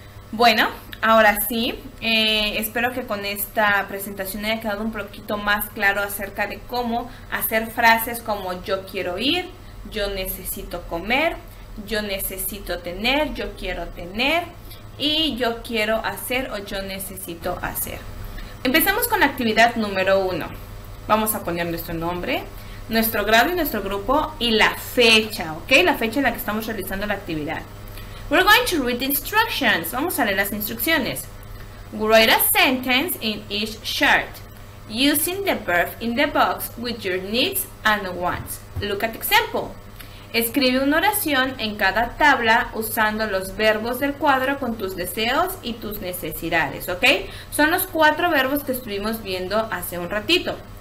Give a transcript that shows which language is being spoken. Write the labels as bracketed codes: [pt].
[es] Bueno, ahora sí, espero que con esta presentación haya quedado un poquito más claro acerca de cómo hacer frases como yo quiero ir, yo necesito comer, yo necesito tener, yo quiero tener, y yo quiero hacer o yo necesito hacer. Empezamos con la actividad número 1. Vamos a poner nuestro nombre, nuestro grado y nuestro grupo y la fecha, ¿ok? La fecha en la que estamos realizando la actividad. [en] We're going to read the instructions. [es] Vamos a leer las instrucciones. [en] Write a sentence in each chart using the verb in the box with your needs and wants. Look at example. [es] Escribe una oración en cada tabla usando los verbos del cuadro con tus deseos y tus necesidades, ¿ok? Son los 4 verbos que estuvimos viendo hace un ratito.